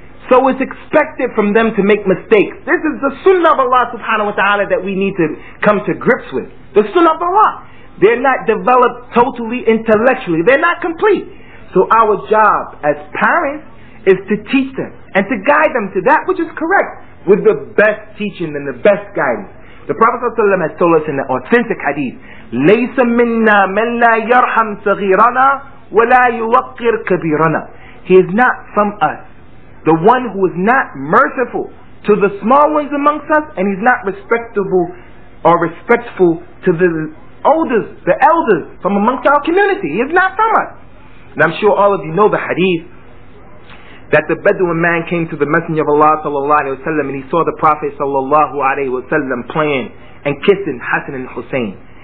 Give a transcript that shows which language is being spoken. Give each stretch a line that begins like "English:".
English: So it's expected from them to make mistakes. This is the sunnah of Allah subhanahu wa ta'ala that we need to come to grips with. The sunnah of Allah. They're not developed totally intellectually. They're not complete. So our job as parents is to teach them and to guide them to that which is correct with the best teaching and the best guidance. The Prophet ﷺ has told us in the authentic hadith,
Arabic: لَيْسَ مِنَّا مَنْ لَا يَرْحَمْ صَغِيرَنَا وَلَا يُوَقِّرْ كَبِيرَنَا.
English: He is not from us the one who is not merciful to the small ones amongst us, and he's not respectable or respectful to the elders, the elders from amongst our community. He is not from us. And I'm sure all of you know the hadith that the Bedouin man came to the Messenger of Allah sallallahu alayhi wa sallam, and he saw the Prophet sallallahu alayhi wa sallam playing and kissing Hassan and Hussein.